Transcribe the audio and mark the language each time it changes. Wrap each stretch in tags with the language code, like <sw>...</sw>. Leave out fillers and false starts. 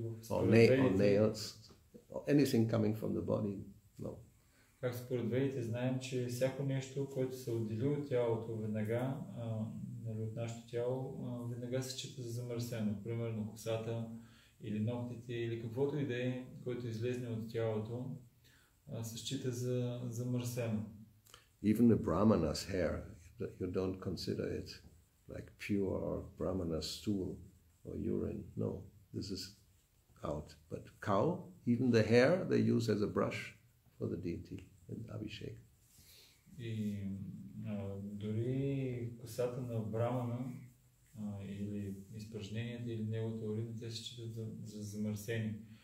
<en>or nails, or anything coming from the body, no.</en> <bg>Както според ведите знаем, че всяко нещо, което се отдели от тялото веднага, от нашето тяло, веднага се счита за замърсено. Примерно косата, или ногтите, или каквото и да е, което излезне от тялото, се счита за замърсено.</bg> <en>Even the brahmana's hair, you don't consider it like pure or brahmana's stool or urine. No, this is out. But cow, even the hair, they use as a brush for the deity in Abhishek.</en> <bg>И дори косата на брамана или изпражненията или неговата урина, те се считат за замърсени.</bg>